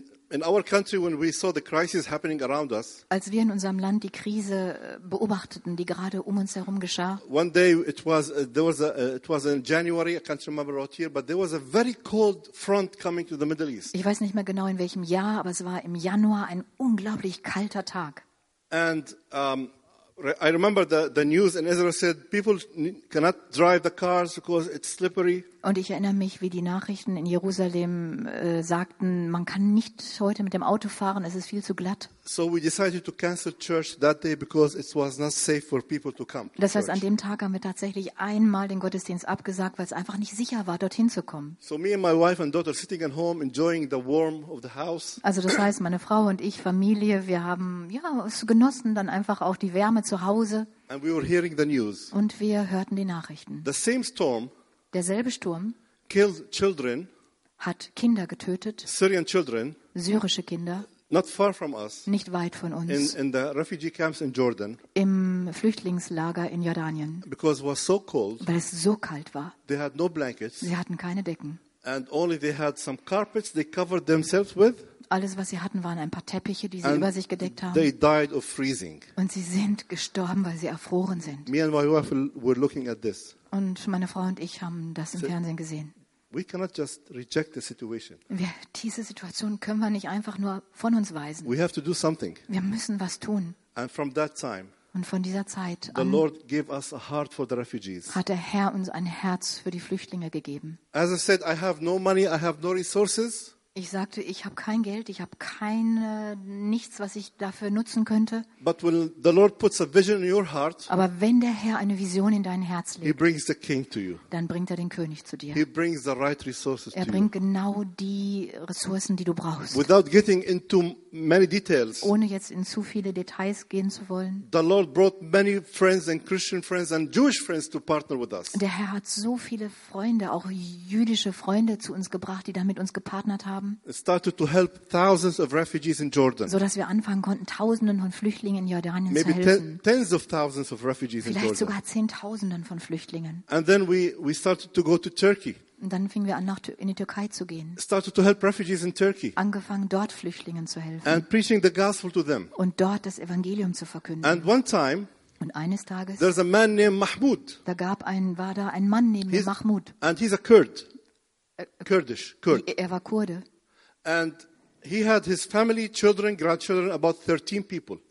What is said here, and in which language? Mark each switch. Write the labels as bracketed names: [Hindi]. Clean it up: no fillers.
[English] In our country, when we saw the crisis happening around us, [German] als wir in unserem Land die Krise beobachteten, die gerade um uns herum geschah, [English] one day it was in January. I can't remember what year, but there was a very cold front coming to the Middle East. [German] Ich weiß nicht mehr genau in welchem Jahr, aber es war im Januar, ein unglaublich kalter Tag. [English] And I remember the news in Israel said people cannot drive the cars because it's slippery. [German] Und ich erinnere mich, wie die Nachrichten in Jerusalem sagten, man kann nicht heute mit dem Auto fahren, es ist viel zu glatt. [English] So we decided to cancel church that day because it was not safe for people to come. [German] Das heißt, an dem Tag haben wir tatsächlich einmal den Gottesdienst abgesagt, weil es einfach nicht sicher war, dorthin zu kommen. [English] So me and my wife and daughter sitting at home enjoying the warmth of the house. [German] Also das heißt, meine Frau und ich, Familie, wir haben ja es genossen, dann einfach auch die Wärme zu Hause. [English] And we were hearing the news. [German] Und wir hörten die Nachrichten. [English] The same storm. [German] Derselbe Sturm [English] killed children, [German] hat Kinder getötet, [English] Syrian children, [German] syrische Kinder, [English] not far from us, [German] nicht weit von uns, [English] in the refugee camps in Jordan, [German] im Flüchtlingslager in Jordanien, [English] because it was so cold, [German] weil es so kalt war. [English] They had no blankets, [German] sie hatten keine Decken. [English] And only they had some carpets they covered themselves with. [German] Alles, was sie hatten, waren ein paar Teppiche, die sie and über sich gedeckt haben. [English] They died of freezing. [German] Und sie sind gestorben, weil sie erfroren sind. [English] Me and my wife were looking at this. [German] Und meine Frau und ich haben das im Fernsehen gesehen. [English] We cannot just reject the situation. [German] Diese Situation können wir nicht einfach nur von uns weisen. [English] We have to do something. [German] Wir müssen was tun. [English] And from that time, [German] und von dieser Zeit [English] the Lord gave us a heart for the refugees. [German] Hat der Herr uns ein Herz für die Flüchtlinge gegeben. [English] As I said, I have no money, I have no resources. [German] Ich sagte, ich habe kein Geld, ich habe kein nichts, was ich dafür nutzen könnte. [English] But when the Lord puts a vision in your heart, [German] aber wenn der Herr eine Vision in dein Herz legt, [English] he brings the king to you. [German] Dann bringt er den König zu dir. [English] He brings the right resources [German] er bringt [English] to you. [German] Genau die Ressourcen, die du brauchst. [English] Without getting into many details, [German] ohne jetzt in zu viele Details gehen zu wollen. [English] The Lord brought many friends and Christian friends and Jewish friends to partner with us. [German] Der Herr hat so viele Freunde, auch jüdische Freunde zu uns gebracht, die da mit uns gepartnert haben. [English] Started to help thousands of refugees in Jordan. [German] So dass wir anfangen konnten, Tausenden von Flüchtlingen in Jordanien [English] maybe [German] zu helfen. [English] Tens of thousands of refugees [German] vielleicht [English] in Jordan. [German] Sogar Zehntausenden von Flüchtlingen. [English] And then we started to go to Turkey. [German] Und dann fingen wir an, in die Türkei zu gehen. [English] Started to help refugees in Turkey. [German] Angefangen, dort Flüchtlingen zu helfen. [English] And preaching the gospel to them. [German] Und dort das Evangelium zu verkünden. [English] And one time, [German] und eines Tages, [English] there's a man named Mahmoud. [German] Da gab ein, war da ein Mann namens Mahmoud. [English] And he's a Kurd. Kurdish, Kurd. [German] Er war Kurde. [English] And he had his family, children, grandchildren, about 13 people.